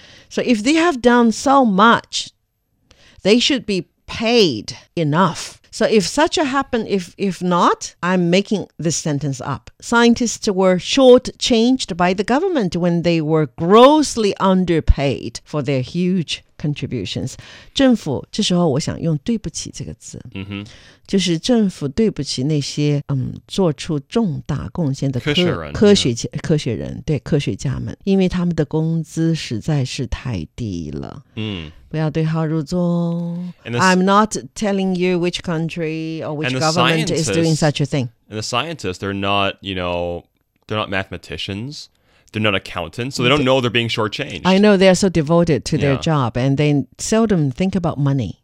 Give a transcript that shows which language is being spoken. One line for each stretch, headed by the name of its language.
English: So if they have done so much, they should be paid enough. So if such a happen, if not, I'm making this sentence up. Scientists were shortchanged by the government when they were grossly underpaid for their huge contributions.
Chinese: 政府这时候我想用对不起这个词、 mm-hmm. 就是政府对不起那些、做出重大贡献的 科学人、
English: yeah.
Chinese: 对科学家们因为他们的工资实在是太低了、 mm. 不要对号入座
English: this, I'm not telling you which country or which government is doing such a thing. And the scientists, they're not, you know, they're not mathematicians. They're not accountants, so they don't know they're being shortchanged. I know, they're so devoted to their job, and they seldom think about money.